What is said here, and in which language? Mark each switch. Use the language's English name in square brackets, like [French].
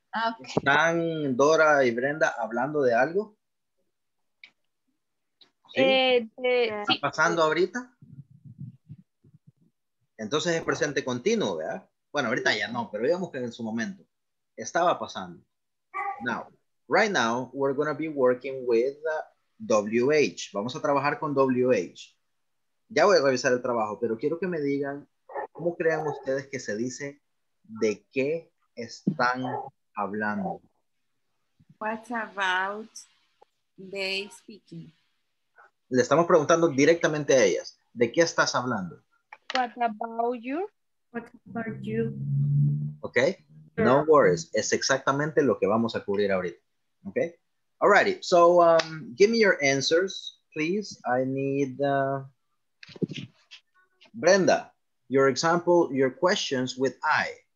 [English] Ah, okay. [Spanish] ¿Están Dora y Brenda hablando de algo? ¿Sí? ¿Está pasando ahorita? Entonces es presente continuo, ¿verdad? Bueno, ahorita ya no, pero digamos que en su momento. Estaba pasando. [English] Now, right now, we're going to be working with WH. [Spanish] Vamos a trabajar con WH. Ya voy a revisar el trabajo, pero quiero que me digan cómo crean ustedes que se dice de qué están hablando. [English] What about they speaking? [Spanish] Le estamos preguntando directamente a ellas. ¿De qué estás hablando? [English] What about you? What about you? Okay. No worries. [Spanish] Es exactamente lo que vamos a cubrir ahorita. [English] Okay. Alrighty. So, give me your answers, please. I need Brenda, your example, your questions with I.